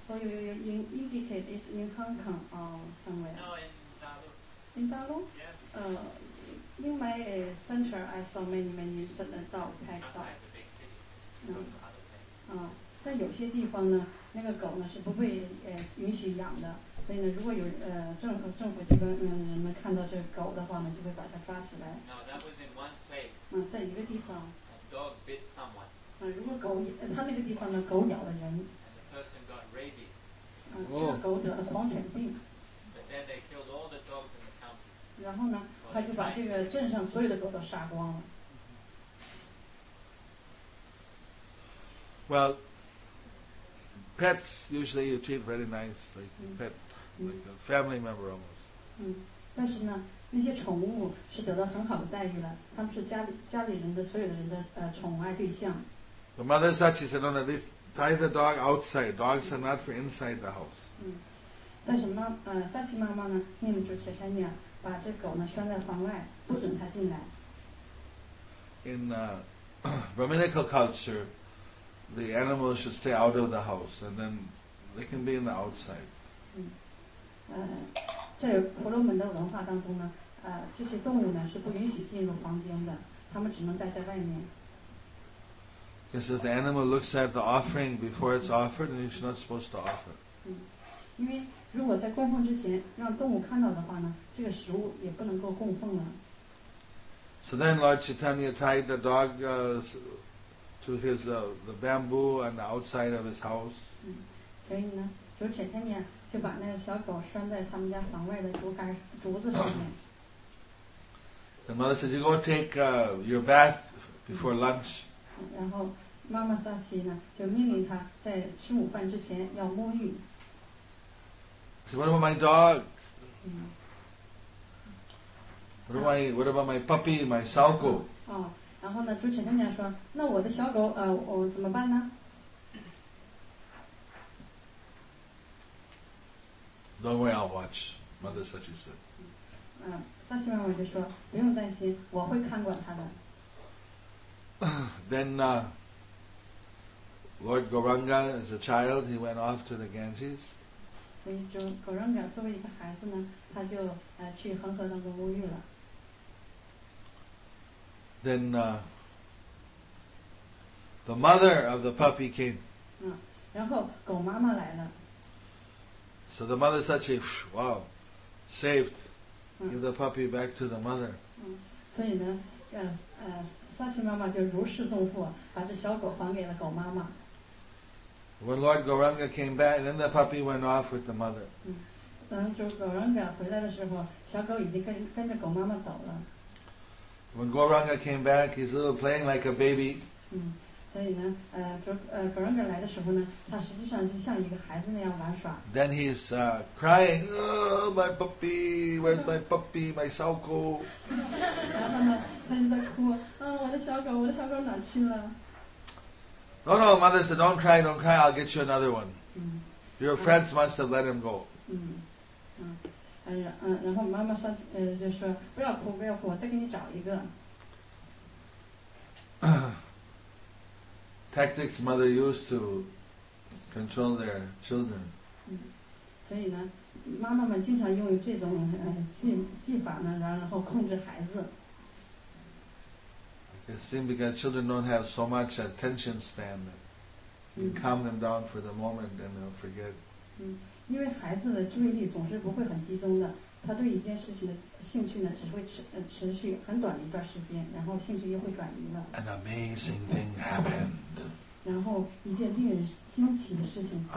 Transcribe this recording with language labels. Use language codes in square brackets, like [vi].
[en] So you indicate it's in Hong Kong or somewhere? No, in Dalu. In Dalu? Yes. In my center, I saw many, many dogs, pet dogs. Shanghai is a big city. So in some places, the dog is not allowed to be raised. [zh] 所以呢，如果有政府机关人们看到这个狗的话呢，就会把它抓起来。 [en] No, that was in one place. [zh] 在一个地方。 [en] A dog bit someone. [zh] 如果狗它那个地方呢，狗咬了人。 [en] And the person got rabies. [zh] 狗得了狂犬病。 [en] But then they killed all the dogs in the county. [zh] 然后呢，他就把这个镇上所有的狗都杀光了。 [en] Well, pets usually you treat very nice, like a pet, like a family member almost. [zh] 但是呢，那些宠物是得到很好的待遇了，他们是家里人的所有的人的宠爱对象。 [en] The mother said, she said, no, at least tie the dog outside. Dogs are not for inside the house. [zh] 但是妈，萨奇妈妈呢，命令住切山尼亚把这狗呢圈在房外，不准它进来。 [en] In Brahminical culture, the animals should stay out of the house, and then they can be in the outside. [zh] 在婆罗门的文化当中呢，这些动物呢是不允许进入房间的，它们只能待在外面。 [en] Because if the animal looks at the offering before it's offered, then it's not supposed to offer. [zh] 因为如果在供奉之前让动物看到的话呢，这个食物也不能够供奉了。 [en] So then Lord Chaitanya tied the dog to his the bamboo on the outside of his house. [zh] 所以呢，就是 Chaitanya 就把那个小狗拴在他们家房外的竹子上面。 [en] The mother said, you go take your bath before lunch. [zh] 然后妈妈萨奇呢，就命令他在吃午饭之前要沐浴。 [en] She said, what about my dog? What about my puppy, my [zh] 小狗？哦，然后呢，朱启正讲说，那我的小狗，我怎么办呢 [en] ？Don't worry, I'll watch. Mother Sachi said. [zh] 萨奇妈妈就说，不用担心，我会看管他的。 [en] Then, Lord Gauranga, as a child, he went off to the Ganges. [zh] 所以，就 Gauranga 作为一个孩子呢，他就去恒河当中沐浴了。 [en] Then the mother of the puppy came. [zh] 然后狗妈妈来了。 [en] So the mother said, she, wow, saved. Give the puppy back to the mother. [zh] 所以呢，萨奇妈妈就如释重负，把这小狗还给了狗妈妈。 [en] When Lord Gauranga came back, then the puppy went off with the mother. [zh] 当就Gauranga回来的时候，小狗已经跟着狗妈妈走了。 [en] When Gauranga came back, he's a little playing like a baby. [zh] 所以呢，Gauranga 来的时候呢，他实际上是像一个孩子那样玩耍。 [en] Then he's crying, oh, my puppy, where's my puppy, my [zh] 小狗。然后呢，他就在哭，我的小狗，我的小狗哪去了 [en] ？No, no, mother said, don't cry, don't cry. I'll get you another one. Your friends must have let him go. [zh] 然后妈妈上就说不要哭不要哭，我再给你找一个。 [en] Tactics mother used to control their children. [zh] 所以呢，妈妈们经常用于这种技法呢，然后控制孩子。 [en] It seems because children don't have so much attention span, you calm them down for the moment and they'll forget. [zh] 因为孩子的注意力总是不会很集中的，他对一件事情的兴趣呢，只会持续很短的一段时间，然后兴趣又会转移了。 [en] An amazing thing happened. [zh] 然后一件令人惊奇的事情。